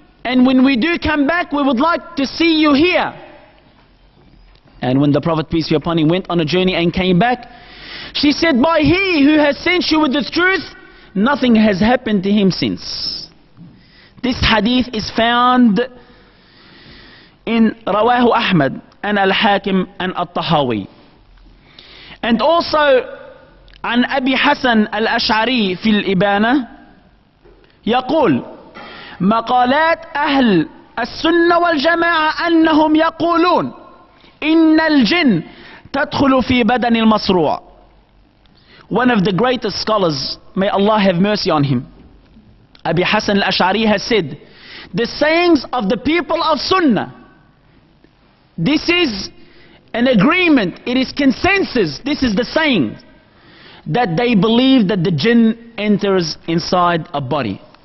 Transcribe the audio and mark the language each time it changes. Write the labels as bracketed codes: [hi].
[en] And when we do come back, we would like to see you here. And when the Prophet, peace be upon him, went on a journey and came back, she said, by he who has sent you with the truth, nothing has happened to him since. This hadith is found in Rawahu Ahmad and Al-Hakim and Al-Tahawi. [ar] And also, an Abi Hassan Al-Ash'ari fi al-Ibana, yaqul, مقالات أهل السنة والجماعة أنهم يقولون إن الجن تدخل في بدن المصروع. [en] One of the greatest scholars, may Allah have mercy on him, Abi Hassan al-Ash'ari has said, the sayings of the people of Sunnah, this is an agreement, it is consensus, this is the saying, that they believe that the jinn enters inside a body.